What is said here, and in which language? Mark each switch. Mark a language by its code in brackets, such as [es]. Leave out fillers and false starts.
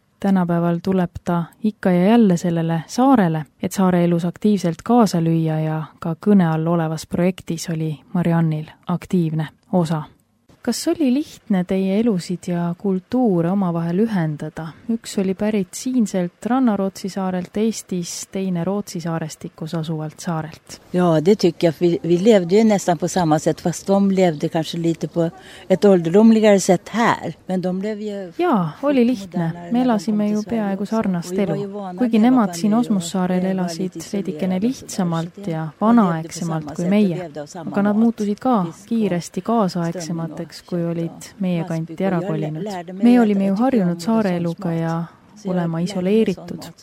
[et] Tänapäeval tuleb ta ikka ja jälle sellele saarele, et saare elus aktiivselt kaasa lüüa ja ka kõne all olevas projektis oli Mariannil aktiivne osa. Kas oli lihtne teie elusid ja kultuure omavahel ühendada? Üks oli pärit siinselt Rannarootsi saarelt Eestis, teine Rootsi saarestikus asuvalt saarelt. [sv] Jaa, det tycker jag. Vi levde ju nästan på samma sätt, fast de levde kanske lite på ett ålderdomligare sätt här. Men de levde ju... [et] Jaa, oli lihtne. Me elasime ju peaaegu sarnast elu. Kuigi nemad siin Osmussaarel elasid veidikene lihtsamalt ja vanaaegsemalt kui meie. Aga nad muutusid ka kiiresti kaasaegsemat. Kui olid meie kanti ära kolinud. Me olime ju harjunud saareeluga ja olema isoleeritud.